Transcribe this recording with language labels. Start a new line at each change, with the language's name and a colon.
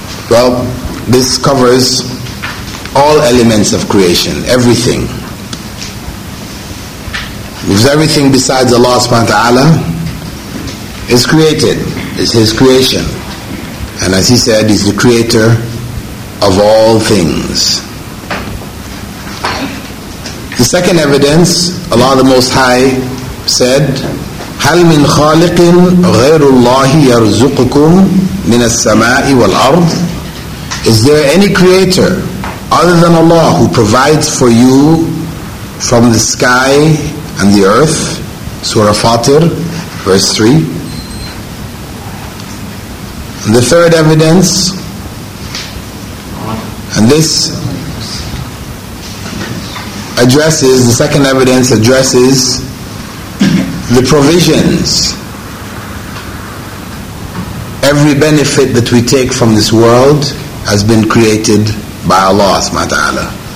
English: Well, this covers all elements of creation, everything. Because everything besides Allah subhanahu wa ta'ala is created, is His creation. And as he said, he's the creator of all things. The second evidence, Allah the Most High said,
Arabic: هَلْ مِنْ خَالِقٍ غَيْرُ اللَّهِ يَرْزُقُكُمْ مِنَ السَّمَاءِ وَالْأَرْضِ.
English: Is there any creator other than Allah who provides for you from the sky and the earth? Surah Fatir, verse 3. And the third evidence, and this addresses, the second evidence addresses the provisions, every benefit that we take from this world has been created by Allah subhanahu wa ta'ala.